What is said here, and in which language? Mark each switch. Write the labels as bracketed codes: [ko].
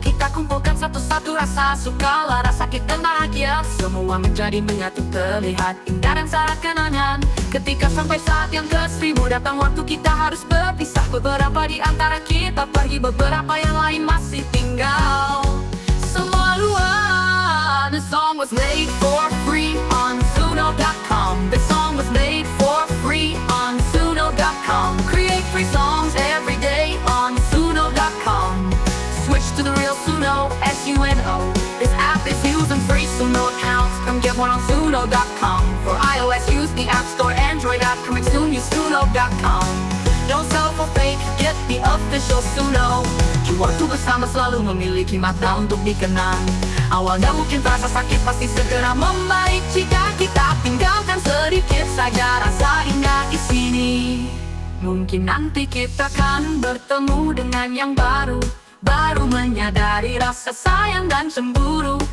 [id] Kita kumpulkan satu-satu rasa, sukalah rasa kita bahagia. Semua menjadi menyatu terlihat indah dan sangat kenangan. Ketika sampai saat yang ke-1000 datang, waktu kita harus berpisah. Beberapa di antara kita pergi, beberapa yang lain masih tinggal. Semaluan. [en] The song was made for free on Suno.com. The song was made for free on Suno.com. Create free songs every day on Suno.com. Switch to the real Suno, S-U-N-O. This app is using free Suno accounts. Come get one on Suno.com. For iOS, use the App Store, Android app. Come soon, use Suno.com. Don't sell for fake, get the official Suno. [id] Waktu bersama selalu memiliki makna untuk dikenang. Awalnya mungkin terasa sakit, pasti segera membaik jika kita tinggalkan sedikit saja rasa indah di sini. Mungkin nanti kita akan bertemu dengan yang baru, baru menyadari rasa sayang dan cemburu.